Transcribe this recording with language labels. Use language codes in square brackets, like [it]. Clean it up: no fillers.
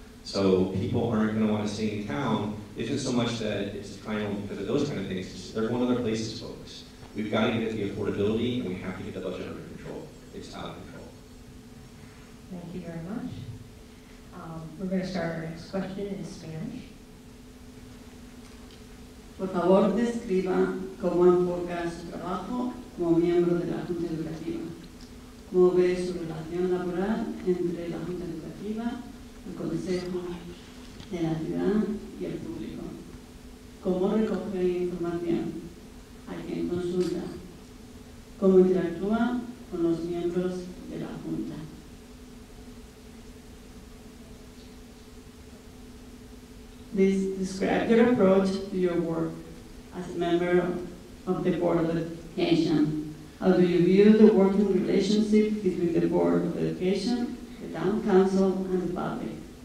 [en] So people aren't going to want to stay in town. It isn't so much that it's kind of because of those kind of things. They're one of their places to focus. We've got to get the affordability, and we have to get the budget under control. It's out of control. Thank you very much. We're going to start our next question in Spanish. [es] Por favor, describa cómo enfoca su trabajo como miembro de la Junta Educativa. ¿Cómo ve su relación laboral entre la Junta Educativa, el Consejo de la Ciudad y el público? ¿Cómo recoge información? ¿A quién consulta? ¿Cómo interactúa con los miembros de la Junta? [en] Please describe your approach to your work as a member of the Board of Education. How do you view the working relationship between the Board of Education, the Town Council, and the public?